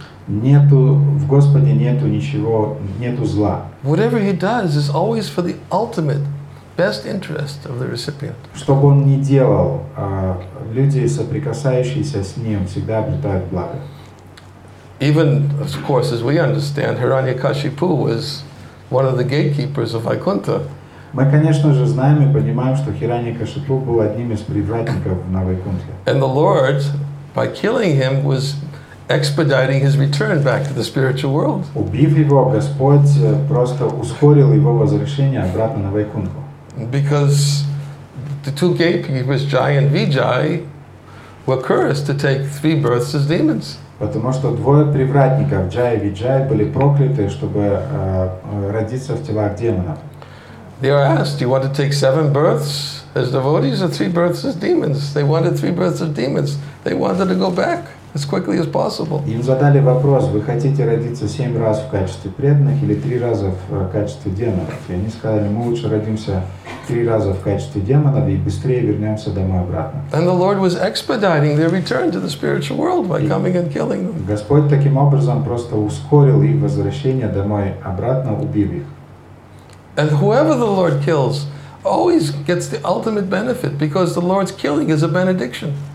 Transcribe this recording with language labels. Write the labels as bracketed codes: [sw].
[ru] Нету, в Господе нету ничего, нету зла. [en] Whatever He does is always for the ultimate best interest of the recipient. [ru] Что бы Он ни делал, люди, соприкасающиеся с Ним, всегда обретают благо. [en] Even, of course, as we understand, Hiranyakashipu was one of the gatekeepers of Vaikuntha. [ru] Мы, конечно же, знаем и понимаем, что Хираньякашипу был одним из привратников на Вайкунтхе. [en] And the Lord, by killing him, was expediting his return back to the spiritual world. [ru] Убив его, Господь просто ускорил его возвращение обратно на Вайкунтху. [en] Because the two gatekeepers, Jai and Vijay, were cursed to take three births as demons. [ru] Потому что двое привратников, Джай и Виджай, были прокляты, чтобы родиться в телах демонов. [en] They are asked, do you want to take seven births as devotees or three births as demons? They wanted three births as demons. They wanted to go back as quickly as possible. [ru] Им задали вопрос, вы хотите родиться семь раз в качестве преданных или три раза в качестве демонов? И они сказали, мы лучше родимся три раза в качестве демонов и быстрее вернемся домой обратно. [en] And the Lord was expediting their return to the spiritual world by coming and killing them. [ru] Господь таким образом просто ускорил их возвращение домой обратно, убив их. [en] And whoever the Lord kills always gets the ultimate benefit because the Lord's killing is a benediction.